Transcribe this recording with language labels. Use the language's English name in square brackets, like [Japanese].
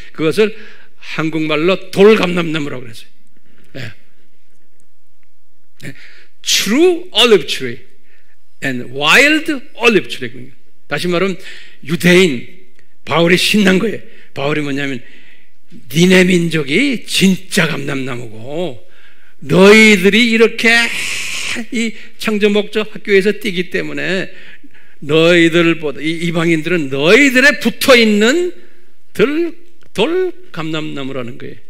[Korean] 그것을 한국말로 돌 감람나무라고 그랬어요. 예. [English] True olive tree and wild olive tree. [Korean] 다시 말하면 유대인 바울이 신난 거예요. 바울이 뭐냐면 니네 민족이 진짜 감람나무고 너희들이 이렇게 이 창조목적 학교에서 뛰기 때문에 너희들보다 이방인들은 너희들의 붙어있는 돌 감람나무라는 거예요.